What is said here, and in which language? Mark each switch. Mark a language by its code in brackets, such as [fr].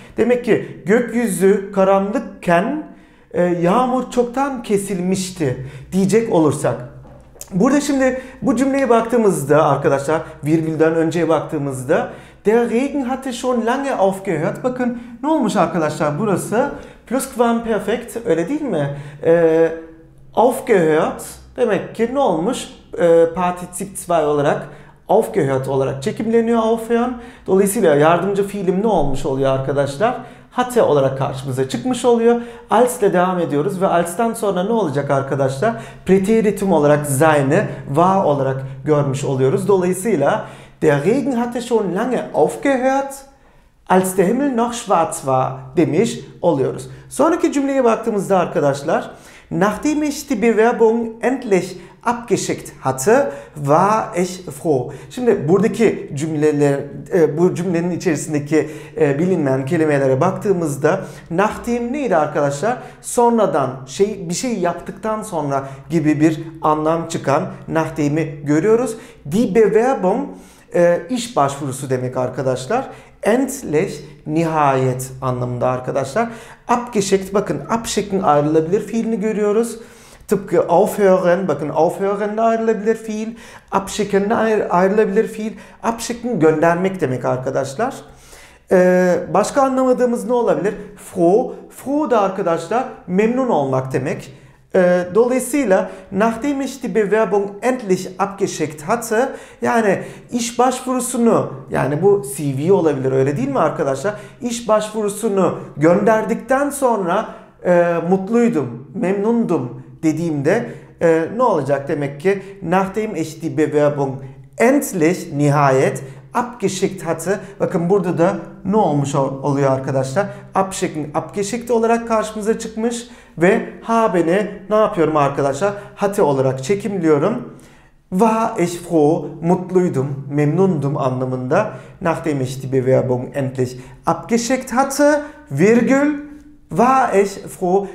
[tr] Demek ki gökyüzü karanlıkken yağmur çoktan kesilmişti diyecek olursak. Burada şimdi bu cümleye baktığımızda arkadaşlar, virgülden önceye baktığımızda [de] der Regen hatte schon lange aufgehört. [tr] Bakın ne olmuş arkadaşlar burası? Plusquamperfekt, öyle değil mi? Aufgehört demek ki ne olmuş? Partizip 2 olarak, aufgehört olarak çekimleniyor aufhören. Dolayısıyla yardımcı fiilim ne olmuş oluyor arkadaşlar? Hatte olarak karşımıza çıkmış oluyor. Als ile devam ediyoruz ve als'tan sonra ne olacak arkadaşlar? Präteritum olarak sein'i war olarak görmüş oluyoruz. Dolayısıyla [de] der Regen hatte schon lange aufgehört, als der Himmel noch schwarz war [tr] demiş oluyoruz. Sonraki cümleye baktığımızda arkadaşlar, [de] nachdem ich die Bewerbung endlich abgeschickt hatte, war ich froh. [tr] Şimdi buradaki cümleler, bu cümlenin içerisindeki bilinmeyen kelimelere baktığımızda, nachdem neydi arkadaşlar? Sonradan, şey, bir şey yaptıktan sonra gibi bir anlam çıkan nachdem'i görüyoruz. Die Bewerbung, iş başvurusu demek arkadaşlar. Endlich, nihayet anlamında arkadaşlar. Abgeschickt, bakın abschicken ayrılabilir fiilini görüyoruz. Tıpkı aufhören, bakın aufhören de ayrılabilir fiil. Abschicken de ayrılabilir fiil. Abschicken göndermek demek arkadaşlar. Başka anlamadığımız ne olabilir? Froh, froh da arkadaşlar memnun olmak demek. Dolayısıyla [de] nachdem ich die Bewerbung endlich abgeschickt hatte, [tr] yani iş başvurusunu, yani bu CV olabilir, öyle değil mi arkadaşlar? İş başvurusunu gönderdikten sonra mutluydum, memnundum dediğimde ne olacak demek ki? [de] Nachdem ich die Bewerbung endlich, [tr] nihayet [de] abgeschickt hatte. [tr] Bakın burada da ne olmuş oluyor arkadaşlar? Abschicken, abgeschickt olarak karşımıza çıkmış ve haben'i ne yapıyorum arkadaşlar? Hatte olarak çekimliyorum. [de] War ich froh, [tr] mutluydum, memnundum anlamında. [de] Nachdem ich die Bewerbung endlich abgeschickt hatte, virgül, war ich froh.